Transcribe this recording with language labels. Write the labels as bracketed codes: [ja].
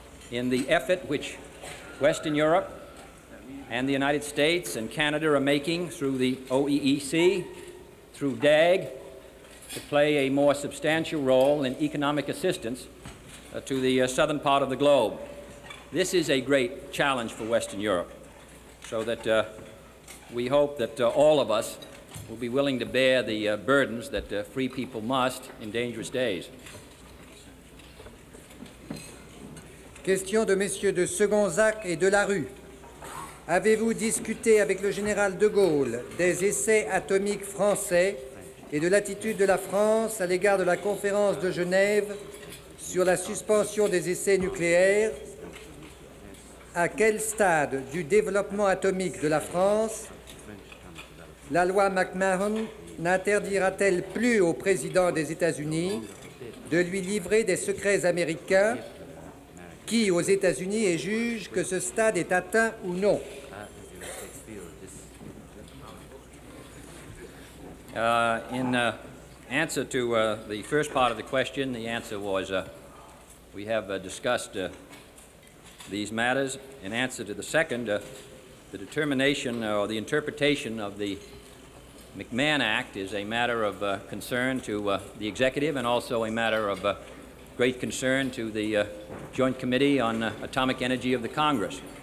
[en] in the effort which Western Europe and the United States and Canada are making through the OEEC, through DAG, to play a more substantial role in economic assistance to the southern part of the globe. This is a great challenge for Western Europe, so that we hope that all of us will be willing to bear the burdens that free people must in dangerous days. [fr] Question de messieurs de Segonzac et de la Rue. Avez-vous discuté avec le général de Gaulle des essais atomiques français et de l'attitude de la France à l'égard de la conférence de Genève sur la suspension des essais nucléaires? À quel stade du développement atomique de la France la loi McMahon n'interdira-t-elle plus au président des États-Unis de lui livrer des secrets américains? Qui aux États-Unis est juge que ce stade est atteint ou non? [en] In answer to the first part of the question, the answer was we have discussed these matters. In answer to the second, the determination or the interpretation of the McMahon Act is a matter of concern to the executive and also a matter of great concern to the Joint Committee on Atomic Energy of the Congress.